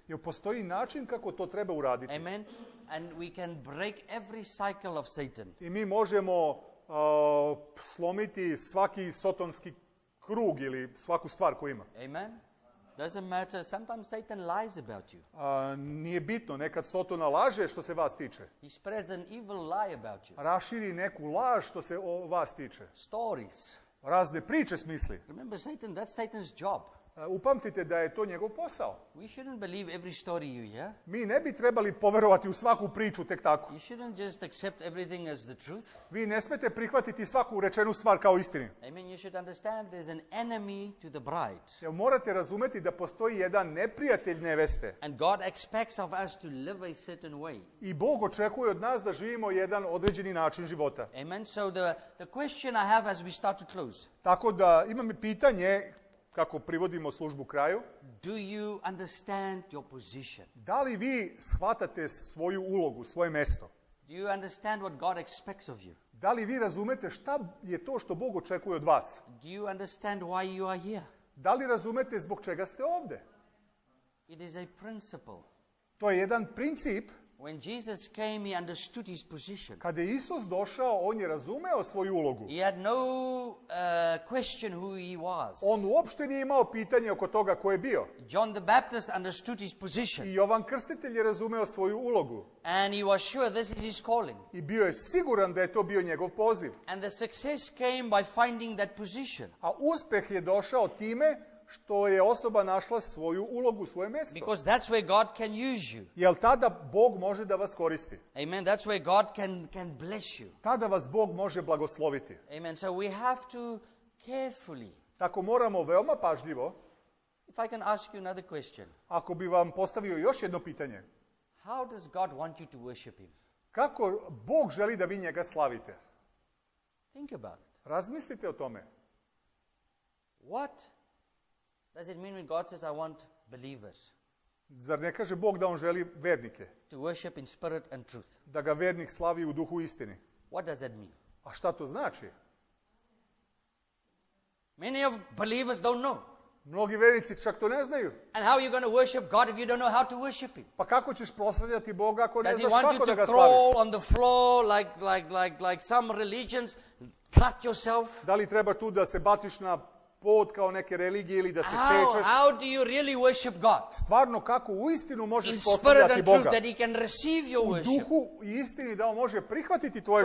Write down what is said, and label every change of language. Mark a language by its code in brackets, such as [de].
[sr] Jer postoji način kako to treba uraditi. [en] Amen. and we can break every cycle of Satan. [sr] I mi možemo slomiti svaki sotonski krug ili svaku stvar koju ima. [en] Amen. Doesn't matter. Sometimes Satan lies about you. [sr] Nije bitno, nekad Sotona laže što se vas tiče. [en] He spreads an evil lie about you. [sr] Raširi neku laž što se o vas tiče. [en] Stories. [sr] Razne priče smisli. [en] Remember Satan, that's Satan's job. [sr] Upamtite da je to njegov posao. [en] We shouldn't believe every story you hear. [sr] Mi ne bi trebali poverovati u svaku priču tek tako. [en] You shouldn't just accept everything as the truth. [sr] Vi ne smete prihvatiti svaku rečenu stvar kao istinu. [en] I mean, you should understand there's an enemy to the bride. [sr] Jer morate razumeti da postoji jedan neprijatelj neveste. [en] And God expects of us to live a certain way. [sr] I Bog očekuje od nas da živimo jedan određeni način života. [en] Amen. So the question I have as we start to close. [sr] Tako da imam pitanje kako privodimo službu kraju. [en] Do you understand your position? [sr] Da li vi shvatate svoju ulogu, svoje mesto? [en] Do you understand what God expects of you? [sr] Da li vi razumete šta je to što Bog očekuje od vas? [en] Do you understand why you are here? [sr] Da li razumete zbog čega ste ovde? [en] It is a principle. [sr] To je jedan princip. [en] When Jesus came, he understood his position. [sr] Kada je Isus došao, on je razumeo svoju ulogu. [en] He had no question who he was. [sr] On uopšte nije imao pitanje oko toga ko je bio. [en] John the Baptist understood his position. [sr] I Jovan Krstitelj je razumeo svoju ulogu. [en] And he was sure this is his calling. [sr] I bio je siguran da je to bio njegov poziv. [en] And the success came by finding that position. [sr] A uspeh je došao time što je osoba našla svoju ulogu, svoje mesto. [en] Because that's where God can use you. [sr] Jel tada Bog može da vas koristi? [en] Amen. That's where God can bless you. [sr] Tada vas Bog može blagosloviti. [en] Amen. So we have to carefully. [sr] Tako moramo veoma pažljivo. [en] If I can ask you another question. [sr] Ako bi vam postavio još jedno pitanje. [en] How does God want you to worship him? [sr] Kako Bog želi da vi njega slavite? [en] Think about it. [sr] Razmislite o tome. [en] What does it mean when God says I want believers? [sr] Zar ne kaže Bog da on želi vernike? [en] To worship in spirit and truth. [sr] Da ga vernik slavi u duhu istine. [en] What does that mean? [sr] A šta to znači? [en] Many of believers don't know. [sr] Mnogi vernici čak to ne znaju. [en] And how are you going to worship God if you don't know how to worship him? [sr] Pa kako ćeš proslavljati Boga ako ne znaš kako da ga slaviš? [en] you to crawl on the floor like some religions, cut yourself? [sr] Da li treba tu da se baciš na pod kao neke religije ili da se [en] how, [sr] sečeš. [en] How do you really worship God? [sr] Stvarno kako uistinu možeš poslavljati Boga? [en] That he can receive your worship. [sr] U duhu i istini da on može prihvatiti tvoje